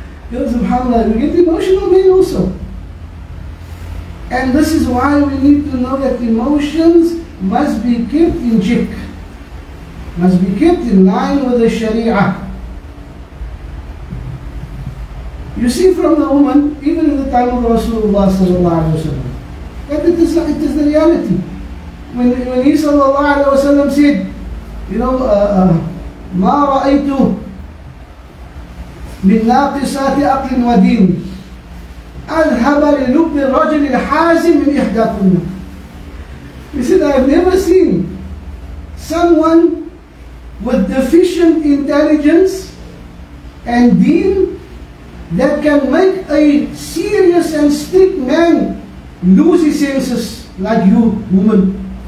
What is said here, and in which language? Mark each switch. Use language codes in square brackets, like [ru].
[en] You know, SubhanAllah, you get emotional men also. And this is why we need to know that emotions must be kept in check. Must be kept in line with the Sharia. You see from the woman, even in the time of Rasulullah sallallahu alayhi wa sallam, that it is the reality. When he sallallahu alayhi wa sallam said, you know, [ar] مَا رَأَيْتُ مِنْ نَاقِسَاتِ أَقْلٍ وَدِينٍ أَذْهَبَ لِلُبِّ الرَّجِلِ الْحَازِمِ مِنْ إِحْدَاكُنَّ. [en] He said, I have never seen someone with deficient intelligence and deen that can make a serious and strict man lose his senses like you, woman.